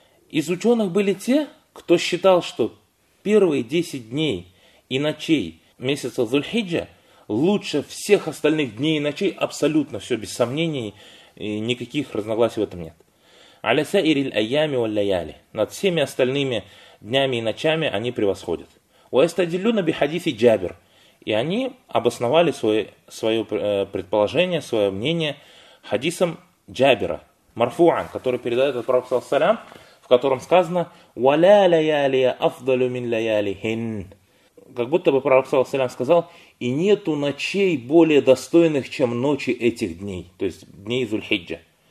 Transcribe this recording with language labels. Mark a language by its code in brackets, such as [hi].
[ru] Из ученых были те, кто считал, что первые 10 дней и ночей месяца Зульхиджа лучше всех остальных дней и ночей, абсолютно все, без сомнений, и никаких разногласий в этом нет. [ar] عَلَى سَئِرِ الْأَيَّامِ وَلَيَالِ. [ru] Над всеми остальными днями и ночами они превосходят. [ar] وَيَسْتَدِلُّنَ بِحَدِيثِ Джабир. [ru] И они обосновали свое предположение, свое мнение хадисом Джабира, марфуан, который передает от пророка саллаллаху алейхи ва саллям, в котором сказано [ar] وَلَا لَيَالِيَ أَفْضَلُ مِنْ لَيَالِهِنْ. [ru] Как будто бы пророк саллаллаху алейхи ва саллям сказал, и нету ночей более достойных, чем ночи этих дней, то есть дней Зульхиджа.